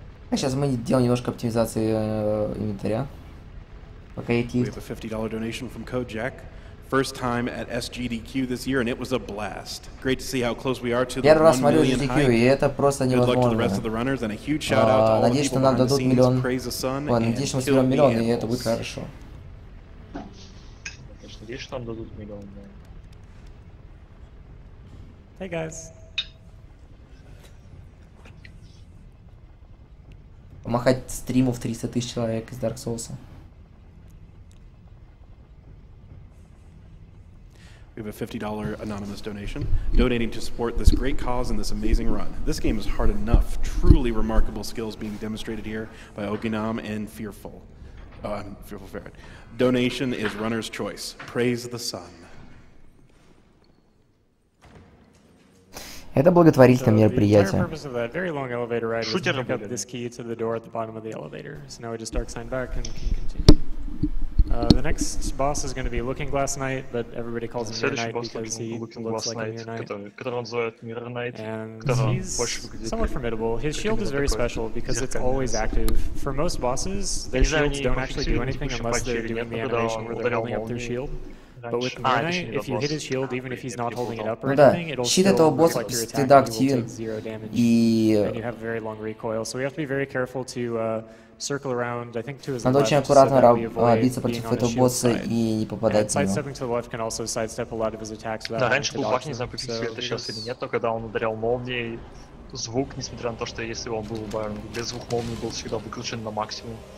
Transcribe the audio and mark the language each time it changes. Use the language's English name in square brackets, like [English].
[Russian] Сейчас мы делаем немножко оптимизации инвентаря. Пока идти. [English] We have a $50 donation from Code Jack. First time at SGDQ this year, and it was a blast. Great to see how close we are to the 1 million high. Good luck to the rest of the runners, and a huge shout out to all the people behind the scenes. Praise the sun and kill the animals. [Russian] Надеюсь, что нам дадут миллион, и это будет хорошо. [English] Hey guys. [Russian] Помахать стриму в 300 тысяч человек из Dark Souls. [English] We have a $50 anonymous donation, donating to support this great cause and this amazing run. This game is hard enough. Truly remarkable skills being demonstrated here by Oginam and Fearful. Fearful Ferret. Donation is runner's choice. Praise the sun. [Russian] Это благотворительное мероприятие. [English] Very long elevator ride. Shoot it up. Got this key to the door at the bottom of the elevator. So now we just dark sign back and can continue. The next boss is going to be Looking Glass Knight, but everybody calls him Mirror Knight because he looks like a Mirror Knight. And he's somewhat formidable. His shield is very special because it's always active. For most bosses, their shields don't actually do anything unless they're doing the animation where they're holding up their shield. But with Mirror Knight, if you hit his shield, even if he's not holding it up or anything, it'll still reflect your attack and you will take zero damage. And you have a very long recoil, so we have to be very careful to... circle around, I think to his [Russian] надо [English] left, [Russian] очень аккуратно биться против этого босса и не попадать в него. [English] Sidestepping to the left can also sidestep a lot of his attacks. [Russian] Да, раньше был баг, не знаю, прописывает это сейчас или нет, но когда он ударял молнией, звук, несмотря на то, что если он был убавлен, без звук молнии был всегда выключен на максимум.